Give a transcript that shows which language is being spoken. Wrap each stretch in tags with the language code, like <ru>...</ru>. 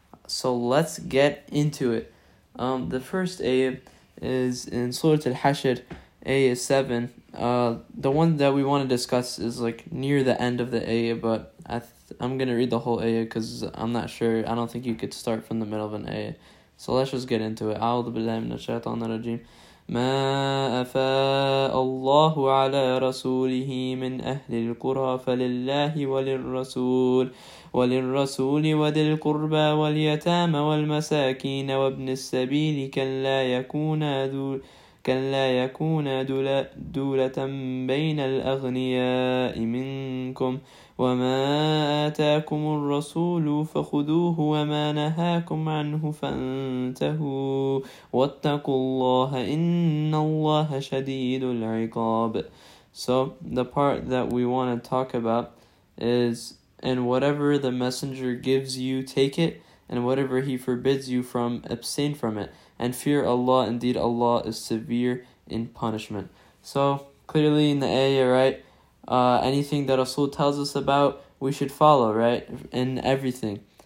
<en>So let's get into it. The first ayah is in Surah Al-Hashr, ayah 7. The one that we want to discuss is like near the end of the ayah, but I'm going to read the whole ayah because I'm not sure. I don't think you could start from the middle of an ayah. So let's just get into it. A'udhu billahi minash shaitanir rajeem.</en> <ar>ما أفاء الله على رسوله من أهل القرى فلله وللرسول وللرسول وذي القربى واليتامى والمساكين وابن السبيل كلا يكون دولة بين الأغنياء منكم وما آتاكم الرسول فخذوه وما نهاكم عنه فانتهوا واتقوا الله إن الله شديد العقاب.</ar> <en>So the part that we want to talk about is, and whatever the messenger gives you, take it, and whatever he forbids you from, abstain from it, and fear Allah, indeed Allah is severe in punishment. So clearly in the ayah, right, anything that Rasul tells us about, we should follow, right, in everything.</en>